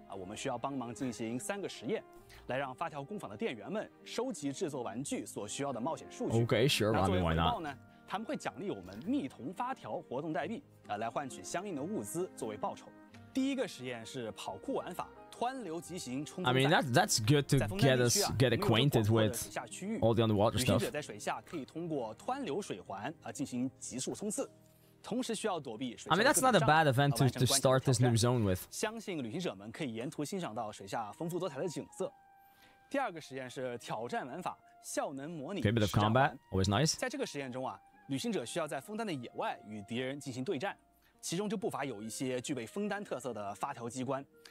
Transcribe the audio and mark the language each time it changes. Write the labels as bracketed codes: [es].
[zh] 我们需要帮忙进行三个实验，来让发条工坊的店员们收集制作玩具所需要的冒险数据。 [en] Okay, sure, [zh] 那作为回报呢，他们会奖励我们蜜铜发条活动代币，来换取相应的物资作为报酬。第一个实验是跑酷玩法，湍流急行冲锋。 [en] I mean that's good to get acquainted with all the underwater stuff. [zh] 旅行者在水下可以通过湍流水环进行急速冲刺。同时需要躲避水下。 [en] I mean that's not a bad event to start this new zone with. [zh] 相信旅行者们可以沿途欣赏到水下丰富多彩的景色。第二个实验是挑战玩法，效能模拟。 [en] A bit of combat, always nice. [zh] 在这个实验中啊，旅行者需要在枫丹的野外与敌人进行对战，其中就不乏有一些具备枫丹特色的发条机关。